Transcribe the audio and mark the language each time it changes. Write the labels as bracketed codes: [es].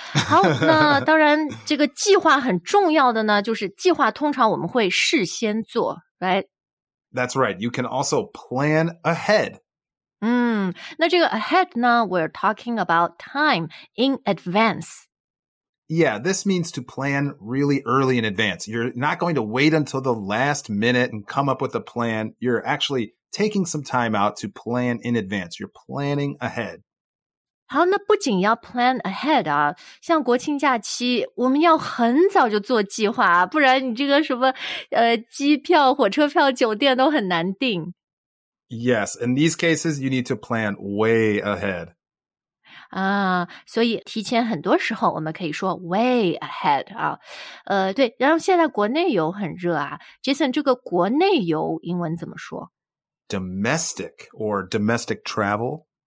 [zh] 好那当然这个计划很重要的呢就是计划通常我们会事先做 [en] right? That's right. You can also plan ahead. [zh] 那这个 ahead 呢 [en] we're talking about time in advance. Yeah, this means to plan really early in advance. You're not going to wait until the last minute and come up with a plan. You're actually taking some time out to plan in advance. You're planning ahead. [zh] 好，那不仅要 plan ahead 啊，像国庆假期，我们要很早就做计划，不然你这个什么机票、火车票、酒店都很难订。 [en] Yes, in these cases, you need to plan way ahead. [zh] 所以提前很多时候我们可以说 way ahead 啊，对然后现在国内游很热啊 Jason 这个国内游英文怎么说 [en] domestic or domestic travel